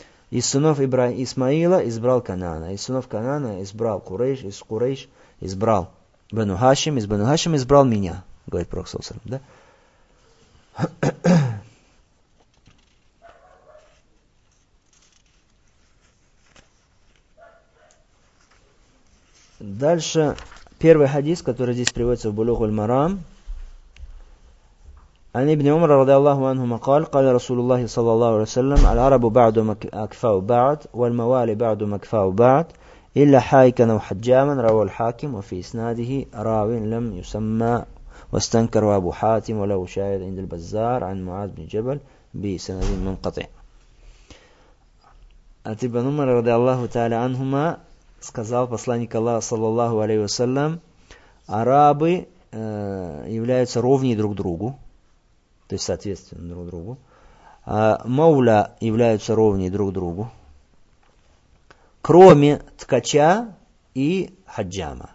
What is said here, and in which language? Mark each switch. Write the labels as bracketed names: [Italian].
[Russian] Из сынов Исмаила избрал Канана. Из сынов Канана избрал Курейш, из Курейш избрал бену Хашим, из бену Хашим избрал меня, говорит Пророк саллаллаху алейхи ва саллям, да? Дальше первый хадис, который здесь приводится в Булугу аль-Марам. [Arabic] عن ابن عمر رضي الله عنهما قال قال رسول الله صلى الله عليه وسلم العرب بعد مكفاء بعد والموالي بعد مكفاء بعد إلا حائكا وحجاما رواه الحاكم وفي إسناده راوي لم يسمى واستنكر أبو حاتم وله شاهد عند البزار عن معاذ بن جبل بسند منقطع. ابن عمر رضي الله تعالى عنهما [Russian] сказал посланник الله [Arabic] صلى الله عليه وسلم [Russian] арабы являются ровнее друг другу, то есть соответственно друг другу. А мауля являются ровнее друг другу, кроме ткача и хаджама.